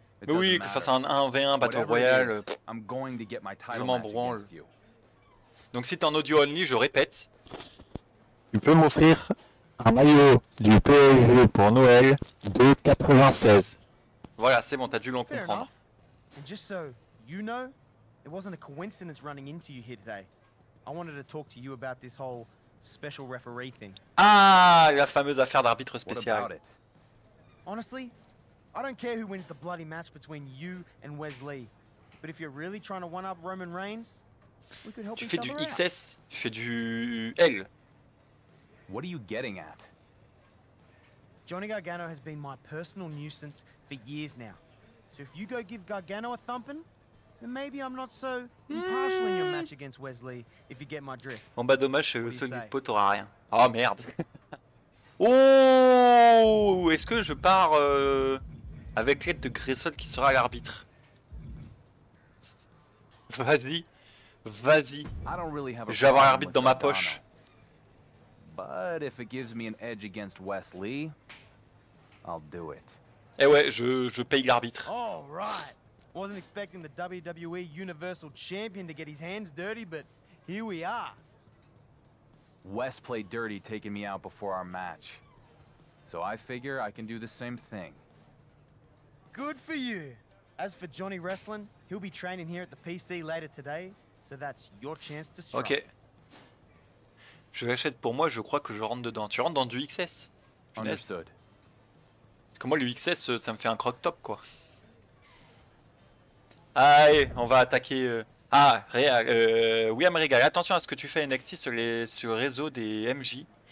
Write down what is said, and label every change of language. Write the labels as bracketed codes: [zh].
[fr] Mais oui, que fasse un 1v1 battle royal. Je m'en branle. Donc si t'es en audio only, je répète. Tu peux m'offrir un maillot du PSG pour Noël de 96. Voilà, c'est bon, t'as dû l'en comprendre. [en] And just so you know, it wasn't a coincidence running into you here today. I wanted to talk to you about this whole special referee thing. [fr] Ah, la fameuse affaire d'arbitre spécial. [en] What about it? Honestly, I don't care who wins the bloody match between you and Wesley. But if you're really trying to one up Roman Reigns, we could help each other out. [fr] Tu fais du XS, je fais du L. [en] What are you getting at? Johnny Gargano has been my personal nuisance for years now. So if you go give Gargano a thumping, then maybe I'm not so impartial in your match against Wesley, if you get my drift. [fr] Bon bah dommage, seul dispo, t'auras rien. Oh merde. Oh, est-ce que je pars avec l'aide de Grayson qui sera l'arbitre? Vas-y. Vas-y. Je vais avoir l'arbitre dans ma poche. [en] But if it gives me an edge against Wesley, I'll do it. [fr] Eh ouais, je paye l'arbitre. [en] All right. Wasn't expecting the WWE Universal Champion to get his hands dirty, but here we are. Wes played dirty taking me out before our match. So I figure I can do the same thing. Good for you. As for Johnny Wrestling, he'll be training here at the PC later today, so that's your chance to strike. Okay. [fr] Je l'achète pour moi, je crois que je rentre dedans. Tu rentres dans du XS ? [en] Understood. [fr] Comment le XS, ça me fait un croc top quoi. Allez, on va attaquer. William Regal, attention à ce que tu fais NXT sur le réseau des MJ.